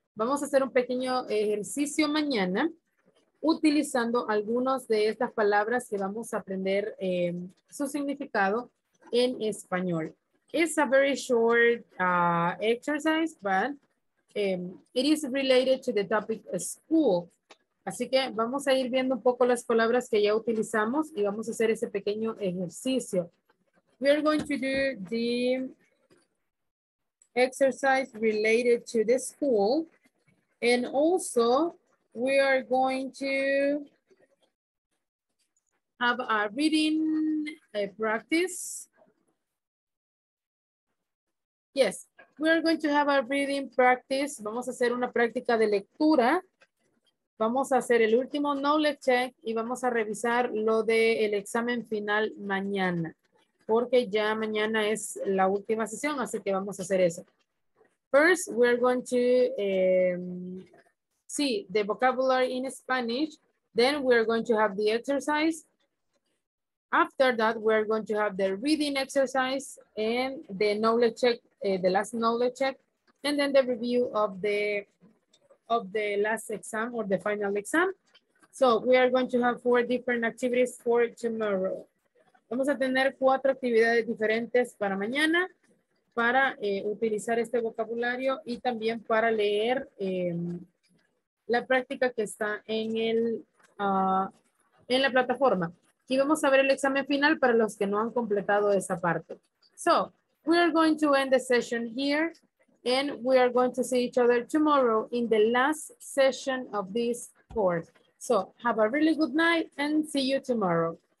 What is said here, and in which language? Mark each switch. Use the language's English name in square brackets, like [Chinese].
[Spanish] Vamos a hacer un pequeño ejercicio mañana utilizando algunas de estas palabras que vamos a aprender su significado en español. [English] It's a very short exercise, but it is related to the topic school. [Spanish] Así que vamos a ir viendo un poco las palabras que ya utilizamos y vamos a hacer ese pequeño ejercicio. [English] We are going to do the exercise related to the school. And also we are going to have a reading practice. Yes, we are going to have a reading practice. [Spanish] Vamos a hacer una práctica de lectura. Vamos a hacer el último knowledge check y vamos a revisar lo del examen final mañana, porque ya mañana es la última sesión, así que vamos a hacer eso. [English] First, we are going to see the vocabulary in Spanish. Then we are going to have the exercise. After that, we are going to have the reading exercise and the knowledge check. The last knowledge check, and then the review of the last exam or the final exam. So we are going to have four different activities for tomorrow. [Spanish] Vamos a tener cuatro actividades diferentes para mañana para utilizar este vocabulario y también para leer la práctica que está en el en la plataforma. Y vamos a ver el examen final para los que no han completado esa parte. [English] So we are going to end the session here, and we are going to see each other tomorrow in the last session of this course. So have a really good night and see you tomorrow.